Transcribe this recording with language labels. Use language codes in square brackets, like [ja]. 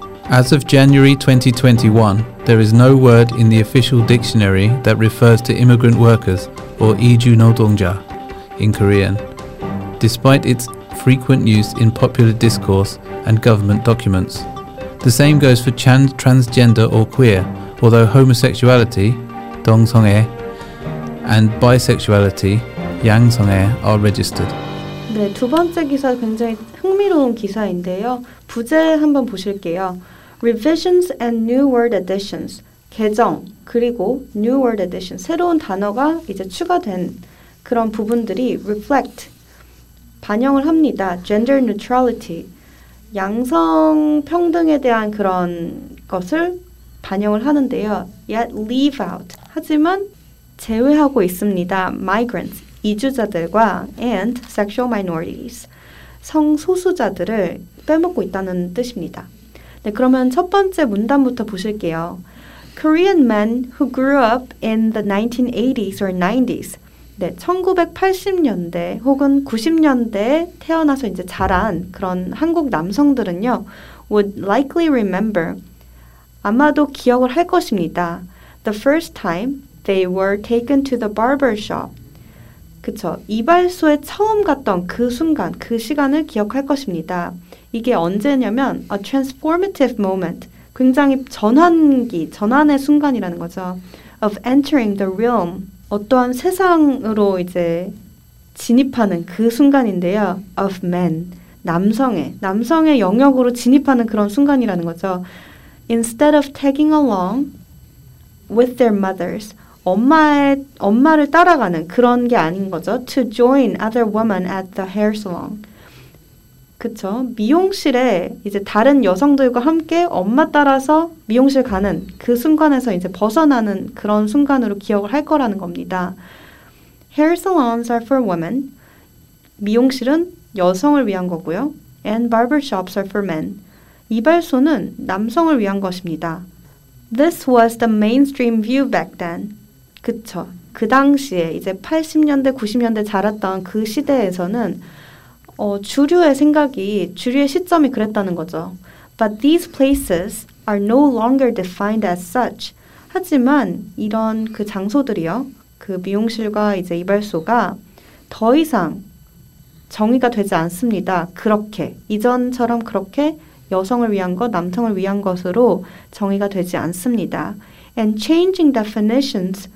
[en] As of January 2021, there is no word in the official dictionary that refers to immigrant workers, or 이주 노동자, in Korean, despite its frequent use in popular discourse and government documents. The same goes for transgender or queer, although homosexuality, 동성애, and bisexuality, 양성애, are registered. [ko] 네, 두 번째 기사 굉장히 흥미로운 기사인데요. 부제 한번 보실게요. [en] Revisions and new word additions, [ko] 개정, 그리고 [en] new word additions, [ko] 새로운 단어가 이제 추가된 그런 부분들이 reflect, 반영을 합니다. Gender neutrality, 양성 평등에 대한 그런 것을 반영을 하는데요. [en] Yet leave out, [ko] 하지만 제외하고 있습니다. Migrants, 이주자들과 [en] and sexual minorities, [ko] 성소수자들을 빼먹고 있다는 뜻입니다. 네, 그러면 첫 번째 문단부터 보실게요. [en] Korean men who grew up in the 1980s or 90s. [ko] 네, 1980년대 혹은 90년대에 태어나서 이제 자란 그런 한국 남성들은요. [en] would likely remember. [ko] 아마도 기억을 할 것입니다. [en] The first time they were taken to the barber shop. [ko] 그쵸. 이발소에 처음 갔던 그 순간, 그 시간을 기억할 것입니다. 이게 언제냐면 [en] a transformative moment, [ko] 굉장히 전환기, 전환의 순간이라는 거죠. [en] of entering the realm, [ko] 어떠한 세상으로 이제 진입하는 그 순간인데요. [en] of men, [ko] 남성의 영역으로 진입하는 그런 순간이라는 거죠. [en] instead of tagging along with their mothers, [ko] 엄마를 따라가는 그런 게 아닌 거죠. [en] to join other women at the hair salon. [ko] 그쵸. 미용실에 이제 다른 여성들과 함께 엄마 따라서 미용실 가는 그 순간에서 이제 벗어나는 그런 순간으로 기억을 할 거라는 겁니다. [en] Hair salons are for women. [ko] 미용실은 여성을 위한 거고요. [en] And barbershops are for men. [ko] 이발소는 남성을 위한 것입니다. [en] This was the mainstream view back then. [ko] 그쵸. 그 당시에 이제 80년대, 90년대 자랐던 그 시대에서는 주류의 생각이, 주류의 시점이 그랬다는 거죠. [en] But these places are no longer defined as such. [ko] 하지만 이런 그 장소들이요. 그 미용실과 이제 이발소가 더 이상 정의가 되지 않습니다. 그렇게 이전처럼 그렇게 여성을 위한 것, 남성을 위한 것으로 정의가 되지 않습니다. [en] And changing definitions,